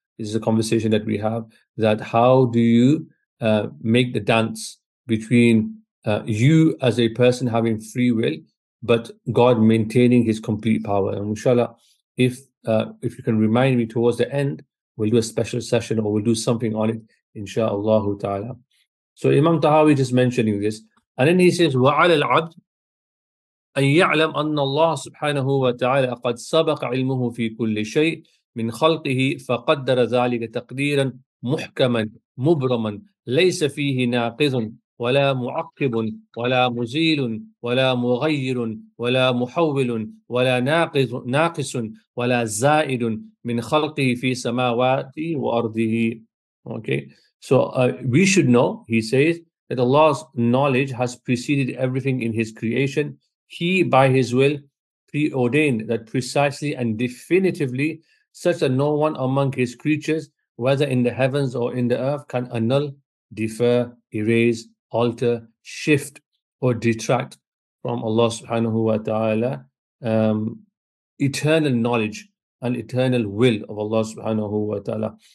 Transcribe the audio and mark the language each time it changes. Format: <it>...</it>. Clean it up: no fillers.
<en>This is a conversation that we have, that how do you make the dance between you as a person having free will, but God maintaining his complete power. And inshallah, if you can remind me towards the end, we'll do a special session or we'll do something on it, inshallah ta'ala. So Imam Tahawi just mentioning this. And then he says,</en> <ar>وَعَلَى الْعَبْدِ أَن يَعْلَمْ أَنَّ اللَّهَ سُبْحَانَهُ وَتَعَالَى قَدْ سَبَقَ عِلْمُهُ فِي كُلِّ شَيْءٍ مِنْ خَلْقِهِ فَقَدَّرَ ذَلِكَ تَقْدِيرًا مُحْكَمًا مُبْرَمًا لَيْسَ فِيهِ نَاقِضٌ ولا معقب ولا مزيل ولا مغير ولا محول ولا ناقص ولا زائد من خلقه في سماواته وأرضه.</ar> <en>Okay, so we should know, he says, that Allah's knowledge has preceded everything in his creation. He, by his will, preordained that precisely and definitively, such that no one among his creatures, whether in the heavens or in the earth, can annul, defer, erase, alter, shift, or detract from Allah subhanahu wa ta'ala eternal knowledge and eternal will of Allah subhanahu wa ta'ala.</en>